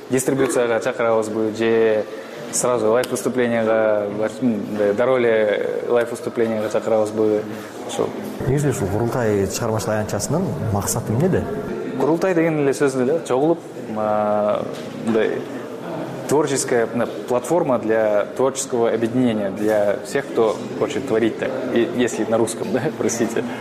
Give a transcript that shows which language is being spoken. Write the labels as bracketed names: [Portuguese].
[Kyrgyz] Дистрибуцияга чакырабызбы же сразу лайф выступленияга, до роли лайф выступленияга чакырабызбы? Ошо негизи ушул курултай чыгармачылык аянтчасынын максаты эмнеде? Курултай деген эле сөздүн эле чогулуп мындай [Russian] творческая платформа для творческого объединения, для всех, кто хочет творить так, если на русском, да, простите.